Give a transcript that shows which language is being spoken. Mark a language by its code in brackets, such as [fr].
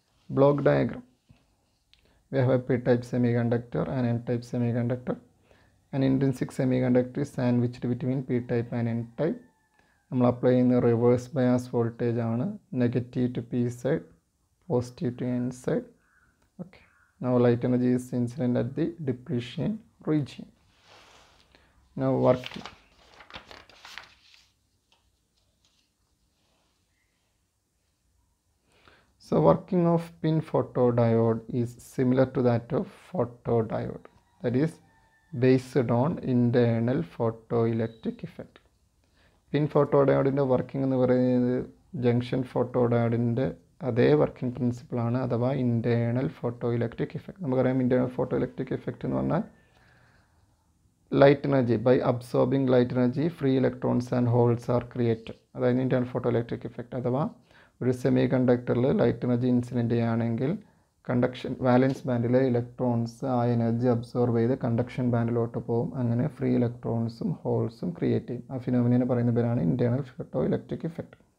[en] Block diagram, we have a P type semiconductor and N type semiconductor and intrinsic semiconductor is sandwiched between P type and N type. [ml] നമ്മൾ apply ചെയ്യുന്ന reverse bias voltage ആണ് [en] Negative to P side, positive to N side. Okay, Now light energy is incident at the depletion region. Now work. So working of pin photodiode is similar to that of photodiode. That is based on internal photoelectric effect. Pin photodiode in the working in the junction photodiode in the [ml] അതേ working പ്രിൻസിപ്പിളാണ്, അഥവാ internal photo electric effect. നമുക്കറിയാം internal photo electric effect എന്ന് പറഞ്ഞാൽ [en] Light energy by absorbing light energy free electrons and holes are created. [ml] അതായത് internal photo electric effect. അഥവാ ഒരു semi കണ്ടക്ടറിൽ light energy incident ചെയ്യുകയാണെങ്കിൽ conduction വാലൻസ് ബാൻഡിലെ electrons ആ energy absorb ചെയ്ത് conduction ബാൻഡിലോട്ട് പോകും, അങ്ങനെ ഫ്രീ ഇലക്ട്രോൺസും ഹോൾസും ക്രിയേറ്റ് ചെയ്യും. ആ ഫിനോമിനെ പറയുന്ന പേരാണ് ഇൻറ്റേണൽ ഫോട്ടോ ഇലക്ട്രിക് ഇഫക്റ്റ്.